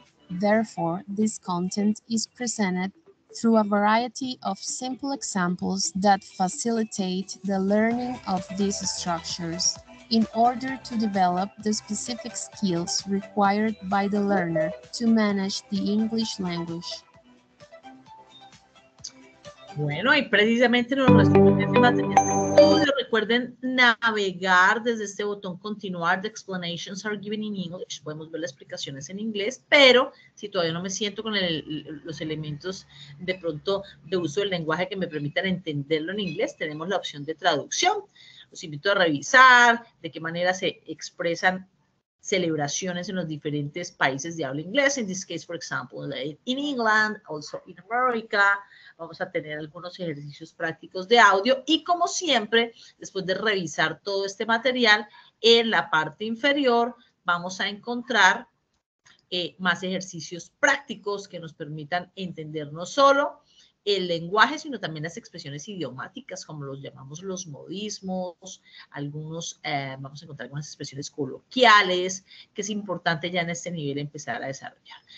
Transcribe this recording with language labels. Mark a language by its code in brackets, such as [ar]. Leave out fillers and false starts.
[en] Therefore, this content is presented through a variety of simple examples that facilitate the learning of these structures in order to develop the specific skills required by the learner to manage the English language. [es] Bueno, y precisamente nos responde, recuerden navegar desde este botón continuar, [en] the explanations are given in English, [es] podemos ver las explicaciones en inglés, pero si todavía no me siento con los elementos de pronto de uso del lenguaje que me permitan entenderlo en inglés, tenemos la opción de traducción. Los invito a revisar de qué manera se expresan celebraciones en los diferentes países de habla inglesa. [en] In this case, for example, in England, also in America. [es] Vamos a tener algunos ejercicios prácticos de audio. Y como siempre, después de revisar todo este material, en la parte inferior vamos a encontrar más ejercicios prácticos que nos permitan entender no solo el lenguaje, sino también las expresiones idiomáticas, como los llamamos los modismos, algunos, vamos a encontrar algunas expresiones coloquiales, que es importante ya en este nivel empezar a desarrollar.